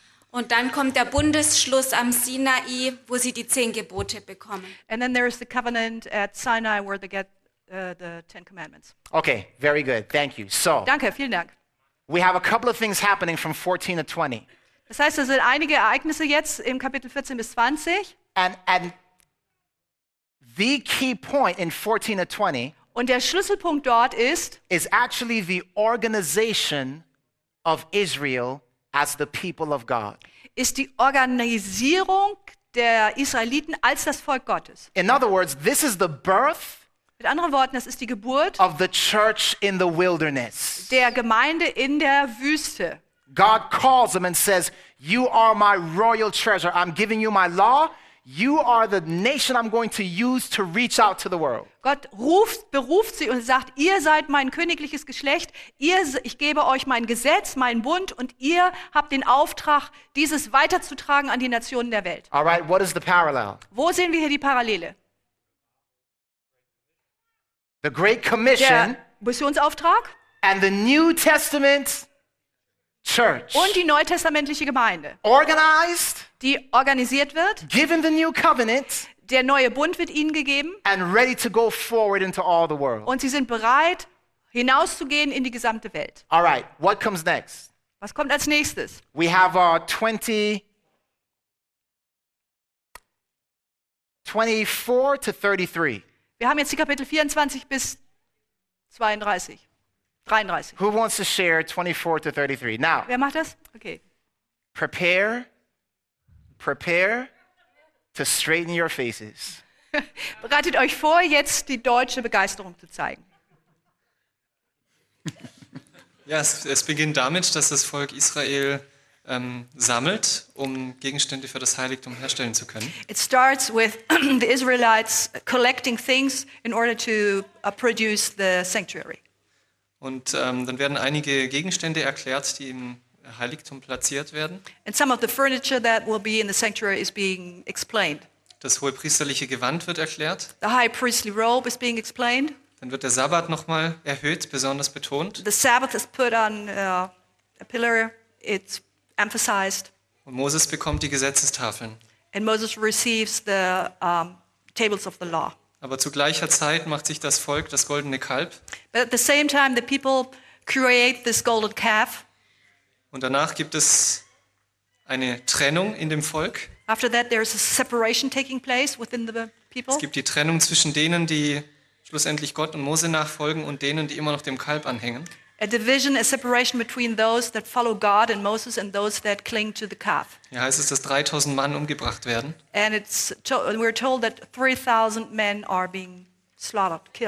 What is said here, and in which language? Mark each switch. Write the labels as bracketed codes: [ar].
[de] Und dann kommt der Bundesschluss am Sinai, wo sie die 10 Gebote bekommen. [en] And then there is the covenant at Sinai where they get the 10 commandments. Okay, very good. Thank you. So. [de] Danke, vielen Dank. [en] We have a couple of things happening from 14 to 20. [de] Das heißt, es sind einige Ereignisse jetzt im Kapitel 14 bis 20. [en] And the key point in 14 to 20, [de] und der Schlüsselpunkt dort ist, [en] is actually the organization of Israel as the people of God. [de] Ist die Organisierung der Israeliten als das Volk Gottes. [en] In other words, this is the birth. [de] Mit anderen Worten, das ist die Geburt [en] of the church in the wilderness. [de] Der Gemeinde in der Wüste. [en] God calls them and says, "You are my royal treasure. I'm giving you my law. You are the nation I'm going to use to reach out to the world." [de] Gott beruft sie und sagt, ihr seid mein königliches Geschlecht, ich gebe euch mein Gesetz, meinen Bund, und ihr habt den Auftrag, dieses weiterzutragen an die Nationen der Welt. [en] All right, what is the parallel? [de] Wo sehen wir hier die Parallele? [en] The Great Commission, [de] der Missionsauftrag, [en] and the New Testament Church. [de] Und die neutestamentliche Gemeinde. [en] Organized, [de] die organisiert wird. [en] Given the new covenant, [de] der neue Bund wird ihnen gegeben. [en] And ready to go forward into all the world. [de] Und sie sind bereit, hinauszugehen in die gesamte Welt. [en] All right, what comes next? [de] Was kommt als nächstes? [en] We have our 24 to 33. [de] Wir haben jetzt die Kapitel 24 bis 32. 33. [en] Who wants to share 24 to 33? Now. [de] Wer macht das? Okay. [en] Prepare to straighten your faces. [de] Bereitet euch vor, jetzt die deutsche Begeisterung zu zeigen. Ja, es beginnt damit, dass das Volk Israel sammelt, um Gegenstände für das Heiligtum herstellen zu können. [en] It starts with the Israelites collecting things in order to produce the sanctuary. [de] Und dann werden einige Gegenstände erklärt, die im Heiligtum platziert werden. [en] And some of the furniture that will be in the sanctuary is being explained. [de] Das hohepriesterliche Gewand wird erklärt. [en] The high priestly robe is being explained. [de] Dann wird der Sabbat nochmal erhöht, besonders betont. [en] The Sabbath is put on a pillar. It's emphasized. [de] Und Moses bekommt die Gesetzestafeln. [en] And Moses receives the tables of the law. [de] Aber zu gleicher Zeit macht sich das Volk das goldene Kalb. [en] But at the same time, the people create this golden calf. [de] Und danach gibt es eine Trennung in dem Volk. [en] After that, there is a separation taking place within the people. [de] Es gibt die Trennung zwischen denen, die schlussendlich Gott und Mose nachfolgen, und denen, die immer noch dem Kalb anhängen. [en] A division, a separation between those that follow God and Moses and those that cling to the calf. [de] Ja, heißt es, dass 3000 Mann umgebracht werden. [en] And we're told that 3000 men are being slaughtered, killed.